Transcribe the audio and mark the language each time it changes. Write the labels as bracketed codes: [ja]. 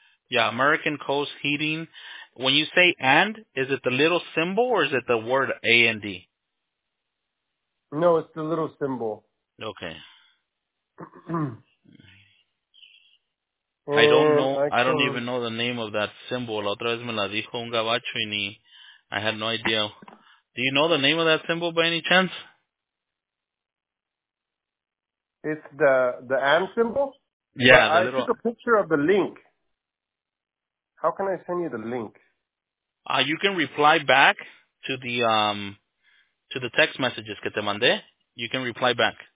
[en] Yeah, American Coast Heating. When you say and, is it the little symbol or is it the word A-N-D? No, it's the little symbol. Okay. I don't know. I don't even know the name of that symbol. [es] La otra vez me la dijo un gabacho y ni, [en] I had no idea. Do you know the name of that symbol by any chance? It's the and symbol? Yeah. I took a picture of the link. How can I send you the link? You can reply back to the text messages [es] que te mandé. [en] You can reply back.